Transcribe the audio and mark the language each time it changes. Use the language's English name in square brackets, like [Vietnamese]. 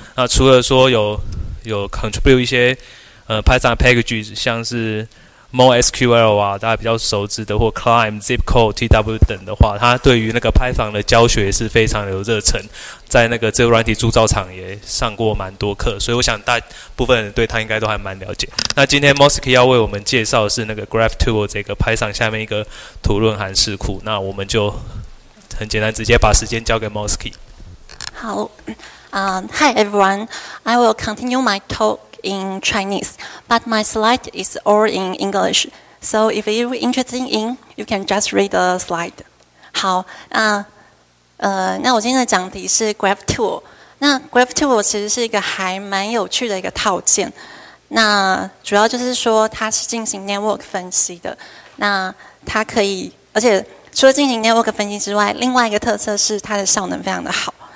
[Chinese] 那除了说有 contribute 一些Python package， 像是 MySQL 啊，大家比较熟知的，或 Climb、Zipcode、TW 等的话，他对于那个 Python 的教学也是非常有热忱，在那个这个软体铸造厂也上过蛮多课，所以我想大部分人对他应该都还蛮了解。那今天 Mosky 要为我们介绍的是那个 GraphTool 这个 Python 下面一个图论函式库，那我们就很简单，直接把时间交给 Mosky。 [English] 好，Hi everyone, I will continue my talk. In Chinese, but my slide is all in English. So if you're interested in, you can just read the slide. [Chinese] 好，那我今天的讲题是 GraphTool。那 GraphTool 其实是一个还蛮有趣的一个套件。那主要就是说它是进行 network 分析的。那它可以，而且除了进行 network 分析之外，另外一个特色是它的效能非常的好。